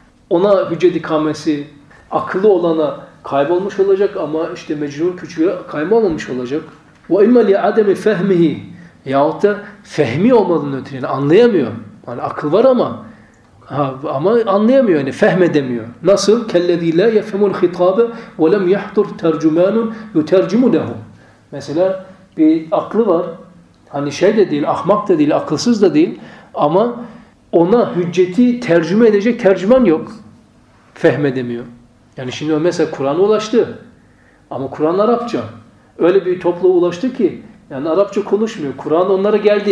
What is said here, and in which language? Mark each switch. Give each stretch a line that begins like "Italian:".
Turkish: Ona hüccet ikamesi, akıllı olana kaybolmuş olacak ama işte mecnun küçüğe kaybolmamış olacak.
Arabic: وَاِمَّا لِعَدَمِ فَهْمِهِ
Turkish: Yahut da fehmi olmadığını ötürü, yani anlayamıyor. Hani akıl var ama anlayamıyor, yani fehmedemiyor. Nasıl?
Arabic: كَالَّذ۪ي لَا يَفْهَمُ الْخِطَابَ وَلَمْ يَحْضُرْ تَرْجُمَانٌ يُتَرْجُمُ لَهُ
Turkish: Mesela bir aklı var. Hani şey de değil, ahmak da değil, akılsız da değil ama ona hücceti tercüme edecek tercüman yok. Fehmedemiyor. Yani şimdi mesela Kur'an'a ulaştı ama Kur'an Arapça. Öyle bir topluğa ulaştı ki yani Arapça konuşmuyor. Kur'an onlara geldi.